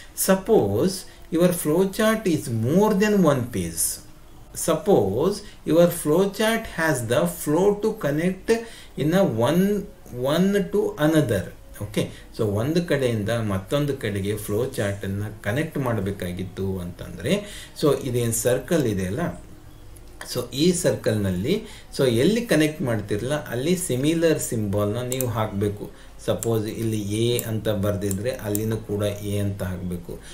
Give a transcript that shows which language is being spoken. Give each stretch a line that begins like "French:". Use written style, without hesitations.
English: Suppose your flow chart is more than one page. Suppose your flowchart has the flow to connect in a one to another.
Kannada: Okay, so ಒಂದು ಕಡೆಯಿಂದ ಮತ್ತೊಂದು ಕಡೆಗೆ flow chart ಅನ್ನ connect ಮಾಡಬೇಕಾಗಿತ್ತು ಅಂತಂದ್ರೆ, so ಇದೇನು circle ಇದೆ ಅಲ್ಲ, ಸೊ ಈ ಸರ್ಕಲ್ನಲ್ಲಿ ಸೊ ಎಲ್ಲಿ ಕನೆಕ್ಟ್ ಮಾಡ್ತಿರಲ್ಲ ಅಲ್ಲಿ ಸಿಮಿಲರ್ ಸಿಂಬಾಲ್ನ ನೀವು ಹಾಕಬೇಕು. ಸಪೋಸ್ ಇಲ್ಲಿ ಎ ಅಂತ ಬರೆದಿದ್ರೆ ಅಲ್ಲಿನೂ ಕೂಡ ಎ ಅಂತ ಹಾಕಬೇಕು.